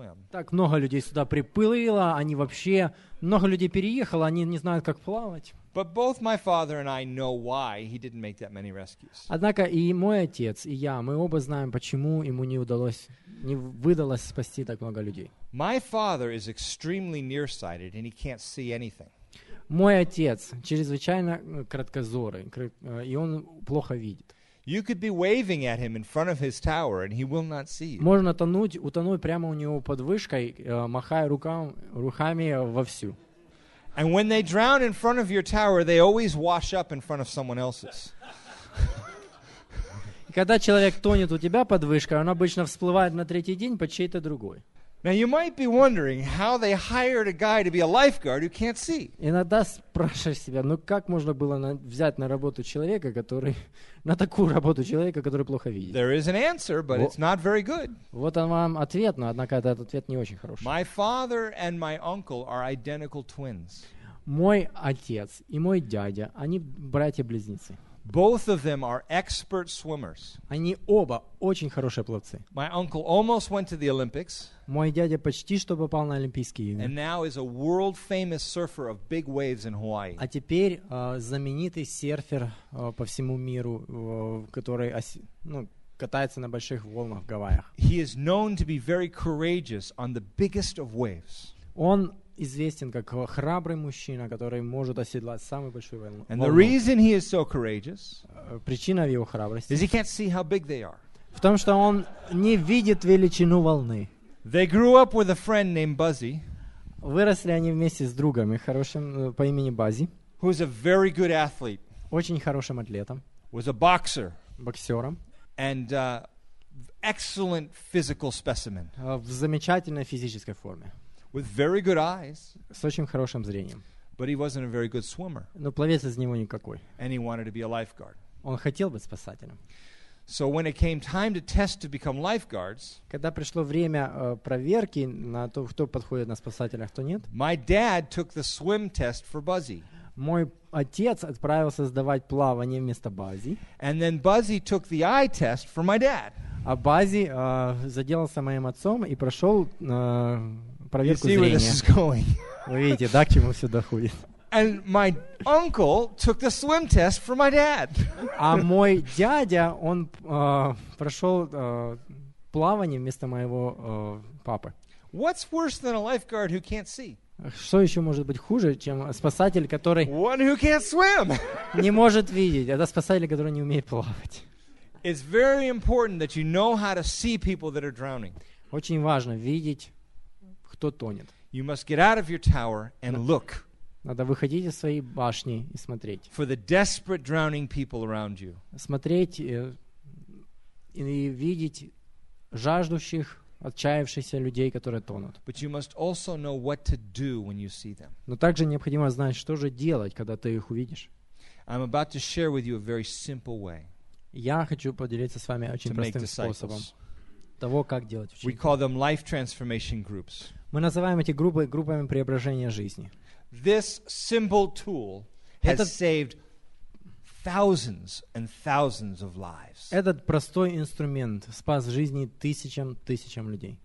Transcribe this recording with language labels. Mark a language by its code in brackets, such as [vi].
[ru] Так много людей сюда приплыло, они вообще, много людей переехало, они не знают, как плавать. [en] But both my father and I know why he didn't make that many rescues. [ru] Однако и мой отец, и я, мы оба знаем, почему ему не выдалось спасти так много людей. [en] My father is extremely nearsighted and he can't see anything. [ru] Мой отец чрезвычайно краткозорый, и он плохо видит. [en] You could be waving at him in front of his tower and he will not see you. [ru] Можно утонуть прямо у него под вышкой, махая руками вовсю. [en] And when they drown in front of your tower, they always wash up in front of someone else's. [ru] Когда человек тонет у тебя под вышкой, он обычно всплывает на третий день под чей-то другой. [en] Now you might be wondering how they hired a guy to be a lifeguard who can't see. [ru] Иногда спрашиваешь себя, ну как можно было взять на работу человека, который на такую работу человека, который плохо видит? [en] There is an answer, but it's not very good. [ru] Вот он вам ответ, но однако этот ответ не очень хороший. [en] My father and my uncle are identical twins. [ru] Мой отец и мой дядя, они братья-близнецы. [en] Both of them are expert swimmers. [ru] Они оба очень хорошие пловцы. [en] My uncle almost went to the Olympics. [ru] Мой дядя почти что попал на Олимпийские игры. [en] And now is a world famous surfer of big waves in Hawaii. [ru] А теперь знаменитый серфер по всему миру, который катается на больших волнах в Гавайях. [en] He is known to be very courageous on the biggest of waves. [ru] Он известен как храбрый мужчина, который может оседлать самую большую волну. [en] And the reason he is so courageous, [ru] причина в его храбрости, [en] is he can't see how big they are. [ru] В том, что он не видит величину волны. [en] They grew up with a friend named Buzzy. [ru] Выросли они вместе с другом, хорошим по имени Баззи. [en] Who is a very good athlete. [ru] Очень хорошим атлетом. [en] Was a boxer. [ru] Боксером. [en] And excellent physical specimen. [ru] В замечательной физической форме. [en] With very good eyes, [ru] с очень хорошим зрением. [en] But he wasn't a very good swimmer. [ru] Но пловец из него никакой. [en] And he wanted to be a lifeguard. [ru] Он хотел быть спасателем. [en] So when it came time to test to become lifeguards, [ru] когда пришло время проверки на то, кто подходит на спасателя, кто нет, [en] my dad took the swim test for Buzzy. [ru] Мой отец отправился сдавать плавание вместо Баззи. [en] And then Buzzy took the eye test for my dad. [ru] А Баззи заделался моим отцом и прошел проверку зрения. [en] You see where this is going. [ru] Вы видите, да, к чему все доходит. [en] And my uncle took the swim test for my dad. [ru] А мой дядя, он прошел плавание вместо моего папы. [en] What's worse than a lifeguard who can't see? [ru] Что еще может быть хуже, чем спасатель, который [en] one who can't swim. [ru] Не может видеть? Это спасатель, который не умеет плавать. [en] It's very important that you know how to see people that are drowning. [ru] Очень важно видеть, кто тонет. [en] You must get out of your tower and look. [ru] Надо выходить из своей башни и смотреть. [en] For the desperate drowning people around you. [ru] Смотреть и видеть жаждущих, отчаявшихся людей, которые тонут. [en] But you must also know what to do when you see them. [ru] Но также необходимо знать, что же делать, когда ты их увидишь. [en] I'm about to share with you a very simple way. [ru] Я хочу поделиться с вами очень простым способом того, как делать учеников. [en] We call them life transformation groups. [ru] Мы называем эти группы группами преображения жизни. [en] This simple tool has saved thousands and thousands of lives. [ru] Этот простой инструмент спас жизни тысячам людей.